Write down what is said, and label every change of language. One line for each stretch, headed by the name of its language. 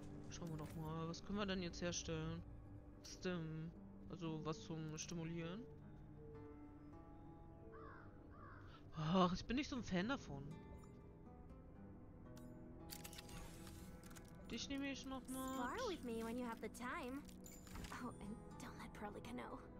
German: Schauen wir doch mal, was können wir denn jetzt herstellen? Stim, also was zum Stimulieren. Ach, ich bin nicht so ein Fan davon. Dich nehme ich noch mal.
English: Spar with me when you have the time. Oh, and don't let Perlika know.